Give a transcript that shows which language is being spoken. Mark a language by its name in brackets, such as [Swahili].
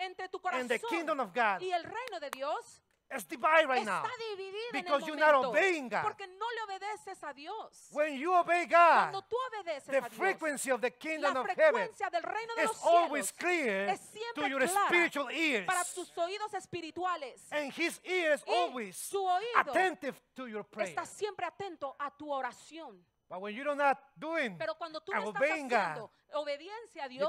[Spanish] entre tu corazón [English] and the kingdom of God, [Spanish] y el reino de Dios [English] It's divided right [Spanish] está [English] now. [Spanish] Está dividido [English] because [Spanish] en el momento. [English] You're not obeying God. [Spanish] Porque no le obedeces a Dios. [English] When you obey God, [Spanish] cuando tú obedeces a Dios, [English] the frequency of the kingdom of heaven, [Spanish] la frecuencia del reino de los cielos, [English] is always clear to your spiritual ears. [Spanish] Para tus oídos espirituales. [English] And His ear is always attentive to your prayer. [Spanish] Está siempre atento a tu oración. [English] But when you're not doing, [Spanish] pero cuando tú no estás haciendo obediencia a Dios,